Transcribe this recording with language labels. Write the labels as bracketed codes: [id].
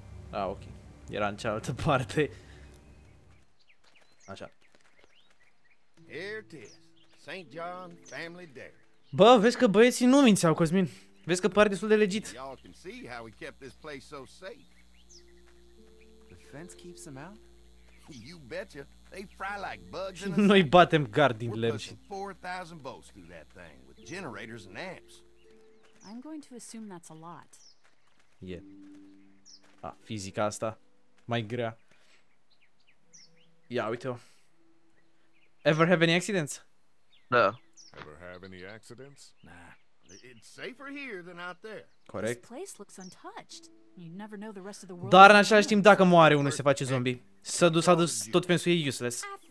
[ro] Ah, ok. Era în cealaltă parte. Așa. [en] Here it is. [ro] St. [en] John Family Dairy. [ro] Bă, vezi că băieții nu mințeau, Cosmin. Vezi că pare destul de legit. [en] Y'all can see how we kept this place so safe. The fence keeps them out? You betcha. They fry like bugs in a... [ro] Noi batem gard din lemn și... [en] 4,000 volts through that thing with generators and amps. I'm going to assume that's a lot. Yeah. [ro] Ah, fizica asta mai grea. Ia, uite-o. [en] Ever have any accidents? No. Ever have any accidents? Nah. It's safer here than out there. Correct. This place looks untouched. You never know the rest of the world. [ro] Dar în același timp, dacă moare unul, se face zombie. S-a dus tot pentru că e useless.